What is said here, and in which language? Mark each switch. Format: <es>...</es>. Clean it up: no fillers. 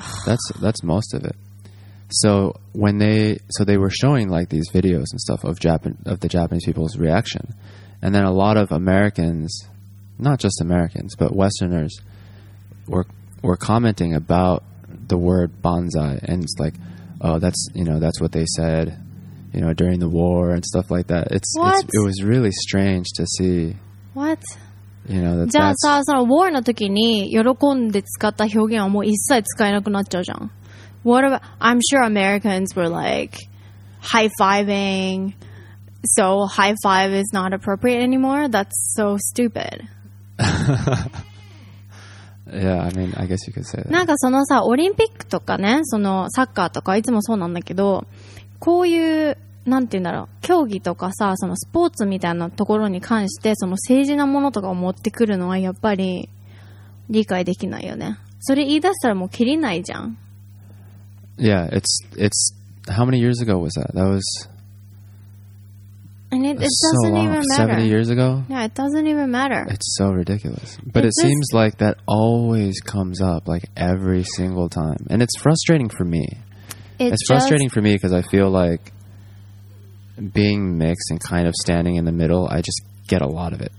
<en>That's most of it. So when they were showing like these videos and stuff of the Japanese people's reaction, and then a lot of Americans, not just Americans, but Westerners, were commenting about the word bonsai, and it's like, oh, that's, you know, that's what they said, you know, during the war and stuff like that. It was really strange to see. What? You know,</en> <ja>じゃあさ、その war の時に喜んで使った表現はもう一切使えなくなっちゃうじゃん。</ja> <en>What about, I'm sure Americans were like high-fiving, so high-five is not appropriate anymore. That's so stupid. Yeah, I mean, I guess you could say that.</en> <ja>なんかそのさ、オリンピックとかね、そのサッカーとかいつもそうなんだけど、こういう、なんて言うんだろう、競技とかさ、そのスポーツみたいなところに関して、その政治なものとかを持ってくるのはやっぱり理解できないよね。それ言い出したらもう切りないじゃん。</ja> <en>Yeah, it's how many years ago was that? That was and it doesn't so long, even matter. 70 years ago? Yeah, it doesn't even matter. It's so ridiculous. But it seems like that always comes up, like every single time. And it's frustrating for me. It's frustrating for me because I feel like being mixed and kind of standing in the middle, I just get a lot of it.</en>